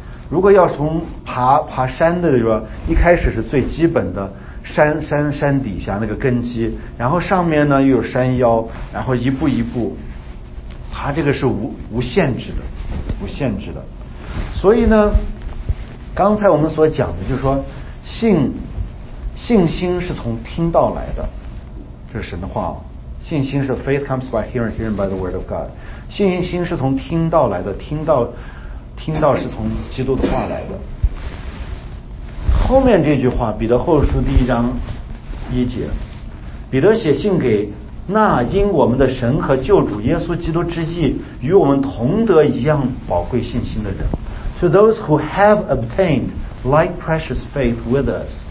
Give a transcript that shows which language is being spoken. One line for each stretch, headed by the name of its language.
Chinese: 如果要从爬山的时候，一开始是最基本的山底下那个根基，然后上面呢又有山腰，然后一步一步爬，这个是无限制的。所以呢，刚才我们所讲的就是说信心是从听道来的，这是神的话哦。信心是
English: faith comes by hearing, hearing by the word of God。
Chinese: 信心是从听道来的，听道是从基督的话来的。后面这句话，彼得后书第一章一节，彼得写信给那因我们的神和救主耶稣基督之义与我们同得一样宝贵信心的人。
English: To those who have obtained like precious faith with us。